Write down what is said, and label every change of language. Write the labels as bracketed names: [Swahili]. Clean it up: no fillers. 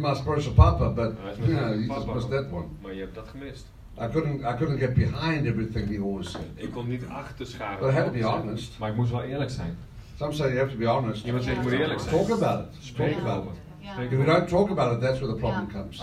[English] my spiritual papa, but you just missed that one. [Dutch] Maar je hebt dat gemist. [English] I couldn't get behind everything he always said. [Dutch] Ik kon niet achter scharen. [English] But I had to be honest. [Dutch] Maar ik moest wel eerlijk zijn. [English] Some say you have to be honest. [Dutch] Iemand zegt je moet eerlijk zijn. [English] Talk about it. Speak about it. Yeah. If we don't talk about it, that's where the problem comes.